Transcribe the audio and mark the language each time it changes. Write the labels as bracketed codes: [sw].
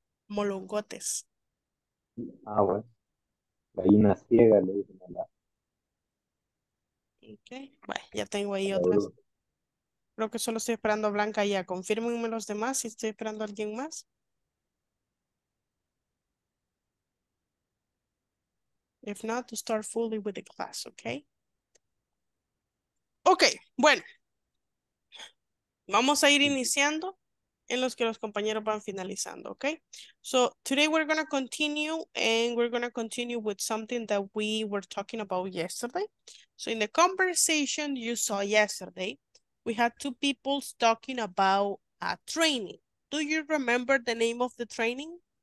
[es] Molongotes. Ah, bueno. Gallina ciega le dicen allá. Okay. Bueno, ya tengo ahí otras. Creo que solo estoy esperando a Blanca ya. Confírmenme los demás si estoy esperando a alguien más. [en] If not, to start fully with the class, okay? [es] Okay, bueno. Vamos a ir iniciando en los que los compañeros van finalizando, okay? [en] So, today we're going to continue and we're going to continue with something that we were talking about yesterday. So, in the conversation you saw yesterday, we had two people talking about a training. Do you remember the name of the training?